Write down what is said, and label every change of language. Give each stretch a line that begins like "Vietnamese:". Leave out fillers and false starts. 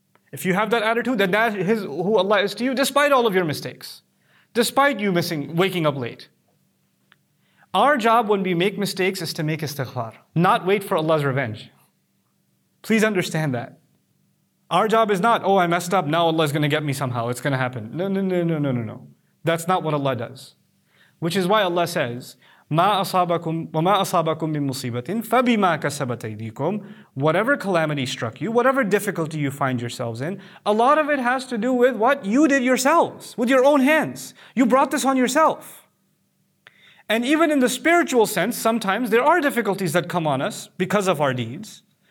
English: If you have that attitude, then that is who Allah is to you, despite all of your mistakes, despite you missing, waking up late. Our job when we make mistakes is to make istighfar, not wait for Allah's revenge. Please understand that. Our job is not, oh, I messed up, now Allah is going to get me somehow, it's going to happen. No, no, no, no, no, no, no. That's not what Allah does. Which is why Allah says,
Arabic: وَمَا أَصَابَكُمْ مِنْ مُصِيبَةٍ فَبِمَا كَسَبَتْ أَيْدِيكُمْ.
English: Whatever calamity struck you, whatever difficulty you find yourselves in, a lot of it has to do with what you did yourselves, with your own hands. You brought this on yourself. And even in the spiritual sense, sometimes there are difficulties that come on us because of our deeds.